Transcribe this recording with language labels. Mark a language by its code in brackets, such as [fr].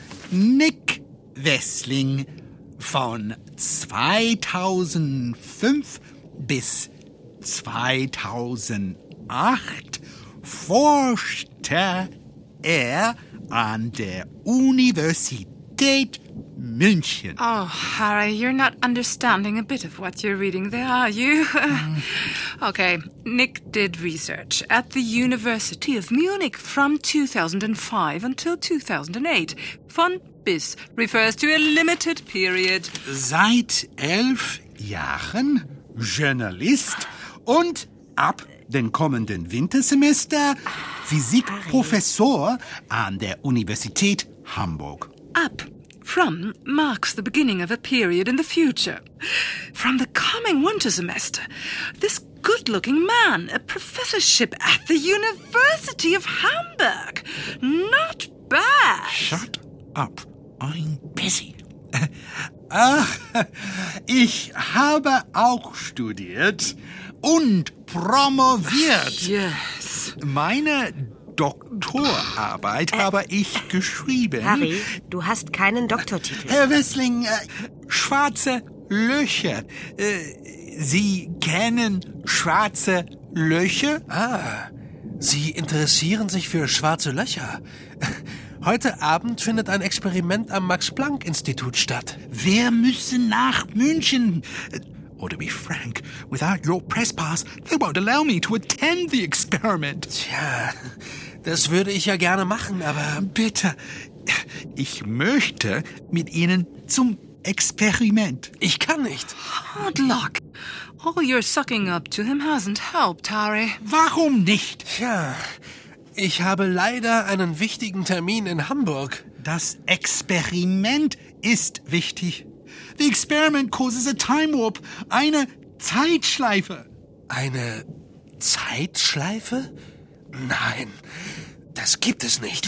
[de] Nick Wessling von 2005 bis 2008 forschte er an der Universität München. [en] Oh, Harry, you're not understanding a bit of what you're reading there, are you? Okay, Nick did research at the University of Munich from 2005 until 2008. Von bis refers to a limited period. [de] Seit 11 Jahren Journalist und ab den kommenden Wintersemester Physikprofessor an der Universität Hamburg. Ab. [en] From marks the beginning of a period in the future. From the coming winter semester, this good-looking man, a professorship at the University of Hamburg. Not bad. Shut up. I'm busy. [de] Ach, ich habe auch studiert und promoviert. [en] Yes. [de] Meine Doktorarbeit habe ich geschrieben. Harry, du hast keinen Doktortitel. Herr Wessling, schwarze Löcher. Sie kennen schwarze Löcher? Ah, Sie interessieren sich für schwarze Löcher. Heute Abend findet ein Experiment am Max-Planck-Institut statt. Wir müssen nach München. [en] Or to be frank, without your press pass, they won't allow me to attend the experiment. [de] Tja, das würde ich ja gerne machen, aber... Bitte, ich möchte mit Ihnen zum Experiment. Ich kann nicht. [en] Hard luck. All your sucking up to him hasn't helped, Harry. [de] Warum nicht? Tja, ich habe leider einen wichtigen Termin in Hamburg. Das Experiment ist wichtig. [en] The experiment causes a time warp. [de] Eine Zeitschleife. Eine Zeitschleife? Nein, das gibt es nicht.